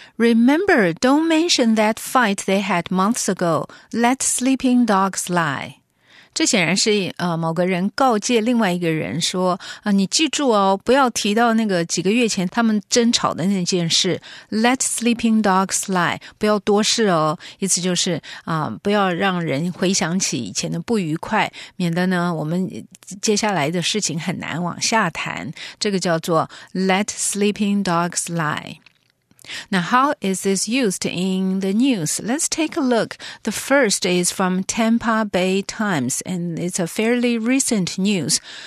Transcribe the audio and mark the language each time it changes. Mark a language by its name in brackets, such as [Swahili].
[English] Remember, don't mention that fight they had months ago. Let sleeping dogs lie. [Chinese] 这显然是某个人告诫另外一个人说你记住哦，不要提到那个几个月前他们争吵的那件事。 Let sleeping dogs lie, 不要多事哦。意思就是不要让人回想起以前的不愉快，免得呢我们接下来的事情很难往下谈。这个叫做 let sleeping dogs lie. [English] Now, how is this used in the news? Let's take a look. The first is from Tampa Bay Times, and it's a fairly recent news.